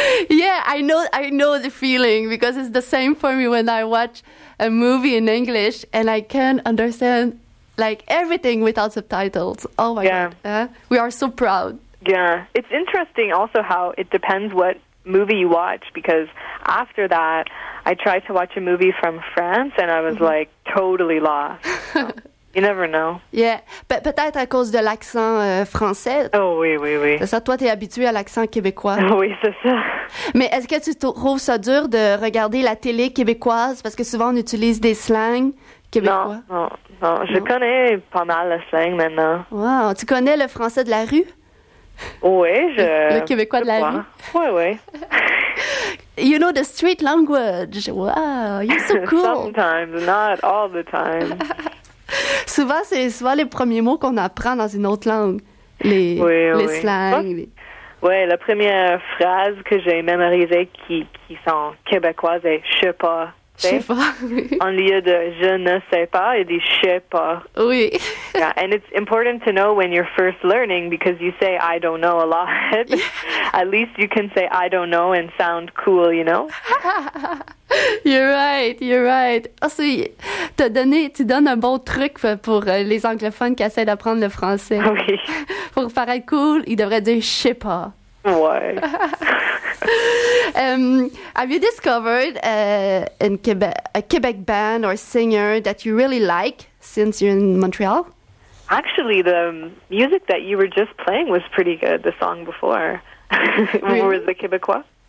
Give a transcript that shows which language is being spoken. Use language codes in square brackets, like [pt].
[en] Yeah, I know the feeling because it's the same for me when I watch a movie in English and I can understand like everything without subtitles. Oh my god. Yeah. We are so proud. Yeah. It's interesting also how it depends what movie you watch, because after that I tried to watch a movie from France and I was like totally lost. You never know. [fr] Yeah, peut-être à cause de l'accent français. Oh, oui, oui, oui. C'est ça, toi, t'es habitué à l'accent québécois. Oui, c'est ça. Mais est-ce que tu trouves ça dur de regarder la télé québécoise? Parce que souvent, on utilise des slangs québécois. Non. Je connais pas mal le slang maintenant. Wow, tu connais le français de la rue? Oui, je... Le québécois je de la rue. Oui, oui. [en] You know the street language. Wow, you're so cool. Sometimes, not all the time. [fr] Souvent, c'est souvent les premiers mots qu'on apprend dans une autre langue, les slangs. Oui, la première phrase que j'ai mémorisée qui sont québécoises est « je sais pas ». Je sais pas, en lieu de « je ne sais pas », il dit « je sais pas ». Oui. [en] Yeah, and it's important to know when you're first learning, because you say « I don't know » a lot. Yeah. At least you can say « I don't know » and sound cool, you know? You're right. [fr] Also, tu donnes un bon truc pour les anglophones qui essaient d'apprendre le français. Oui. Pour paraître cool, ils devraient dire « je sais pas ». Ouais. [en] Have you discovered in Quebec, a Quebec band or singer that you really like since you're in Montreal? Actually, the music that you were just playing was pretty good, the song before. Really? Was the Québécois?